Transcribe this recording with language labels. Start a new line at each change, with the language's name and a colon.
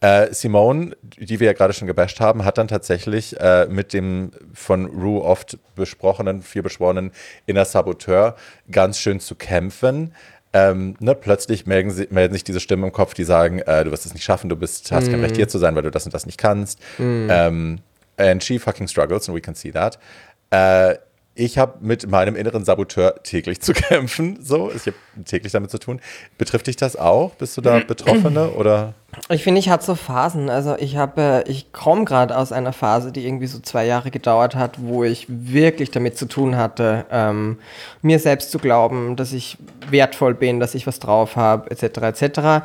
German: Simone, die wir ja gerade schon gebasht haben, hat dann tatsächlich mit dem von Rue oft besprochenen, viel beschworenen Inner Saboteur ganz schön zu kämpfen. Plötzlich melden sich diese Stimmen im Kopf, die sagen, du wirst es nicht schaffen, hast kein Recht hier zu sein, weil du das und das nicht kannst.
English: And she fucking struggles and we can see that.
German: Ich habe mit meinem inneren Saboteur täglich zu kämpfen. So, ich habe täglich damit zu tun. Betrifft dich das auch? Bist du da Betroffene oder? Ich finde, ich hatte so Phasen. Also ich komme gerade aus einer Phase, die irgendwie so 2 Jahre gedauert hat, wo ich wirklich damit zu tun hatte, mir selbst zu glauben, dass ich wertvoll bin, dass ich was drauf habe, etc. etc.